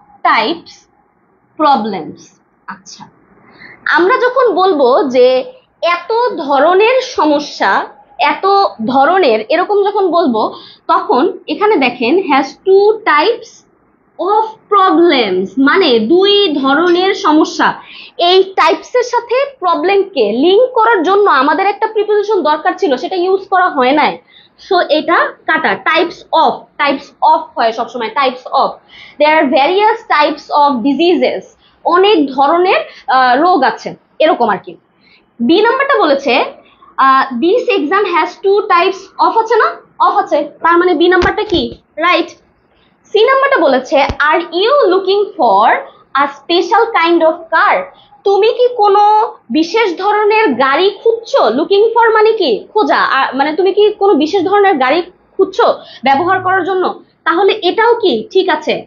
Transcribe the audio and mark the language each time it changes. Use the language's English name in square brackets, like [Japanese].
[English] types problems. [Bangla] আচ্ছা, আমরা যখন বলবো যে এত ধরনের সমস্যা, এত ধরনের এরকম যখন বলবো, তখন এখানে দেখেন [English] has two types of problems, [Bangla] মানে দুই ধরনের সমস্যা। এই types এর সাথে problem কে link করার জন্য আমাদের একটা preposition দরকার ছিল, সেটা use করা হয় নাই, so এটা কাটা। types of হয় সবসময়, types of, [English] there are various types of diseases, [Bangla] অনেক ধরনের রোগ আছে এরকম আর কি। [English] b [Bangla] নাম্বারটা বলেছে [English] this exam has two types of, [Bangla] আছে না? অফ আছে, তার মানে b নাম্বারটা কি রাইট। [English] c [Bangla] নাম্বারটা বলেছে [English] are you looking for a special kind of car, [Bangla] তুমি কি কোনো বিশেষ ধরনের গাড়ি খুঁজছো? লুকিং ফর মানে কি খোঁজা, মানে তুমি কি কোনো বিশেষ ধরনের গাড়ি খুঁজছো ব্যবহার করার জন্য, তাহলে এটাও কি ঠিক আছে।